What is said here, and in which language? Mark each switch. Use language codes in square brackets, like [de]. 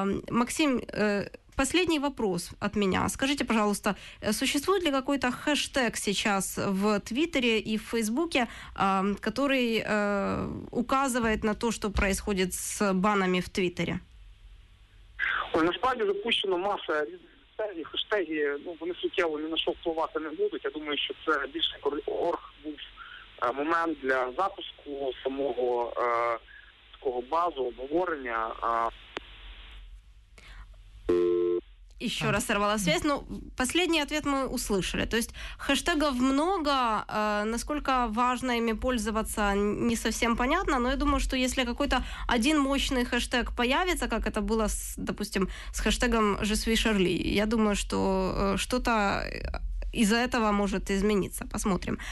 [ru] Максим, последний вопрос от меня. Скажите, пожалуйста, существует ли какой-то хэштег сейчас в Твиттере и в Фейсбуке, который указывает на то, что происходит с банами в Твиттере? [uk] Ой, насправді запущена маса хэштегів. Ну, вони суттєво ні на що впливати не будуть. Я думаю, що це більше орг був момент для запуску самого такого базу обговорення. [ru] Еще раз сорвала связь, но последний ответ мы услышали. То есть хэштегов много, насколько важно ими пользоваться, не совсем понятно, но я думаю, что если какой-то один мощный хэштег появится, как это было, допустим, с хэштегом «Je suis Charlie», я думаю, что что-то из-за этого может измениться. Посмотрим.